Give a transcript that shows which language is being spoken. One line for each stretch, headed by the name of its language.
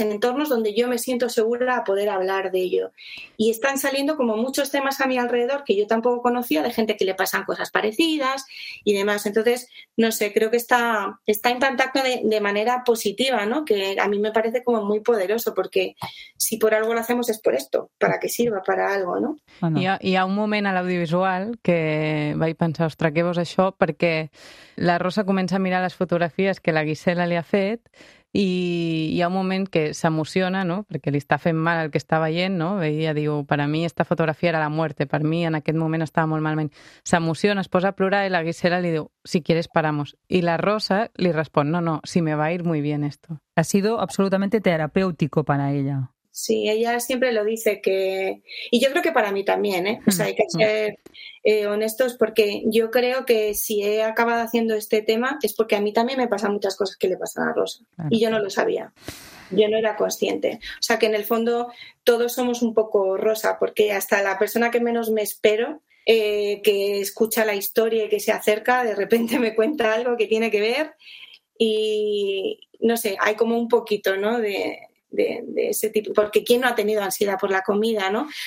Spanish: En entornos donde yo me siento segura a poder hablar de ello. Y están saliendo como muchos temas a mi alrededor que yo tampoco conocía, de gente que le pasan cosas parecidas y demás. Entonces, no sé, creo que está en contacto de manera positiva, ¿no? Que a mí me parece como muy poderoso porque si por algo lo hacemos es por esto, para que sirva, para algo, ¿no?
Catalan: Bueno, hi ha un moment a l'audiovisual que vaig pensar, ostres, què vols això? Perquè la Rosa comença a mirar les fotografies que la Gisela li ha fet i hi ha un moment que s'emociona, no?, perquè li està fent mal el que està veient, no?, veia, diu, per a mi
Spanish: esta fotografia era la muerte,
Catalan: per mi en aquest moment estava molt malament, s'emociona, es posa a plorar i la Gisela li diu,
Spanish: si quieres paramos,
Catalan: i la Rosa li respon,
Spanish: no, si me va a ir muy bien esto. Ha sido absolutamente terapéutico para ella. Sí, ella siempre lo dice que... Y yo creo que para mí también, ¿eh? O sea, hay que ser honestos porque yo creo que si he acabado haciendo este tema es porque a mí también me pasan muchas cosas que le pasan a Rosa. Y yo no lo sabía. Yo no era consciente. O sea, que en el fondo todos somos un poco Rosa porque hasta la persona que menos me espero, que escucha la historia y que se acerca, de repente me cuenta algo que tiene que ver y, no sé, hay como un poquito, ¿no?, de ese tipo, porque ¿quién no ha tenido ansiedad por la comida, no?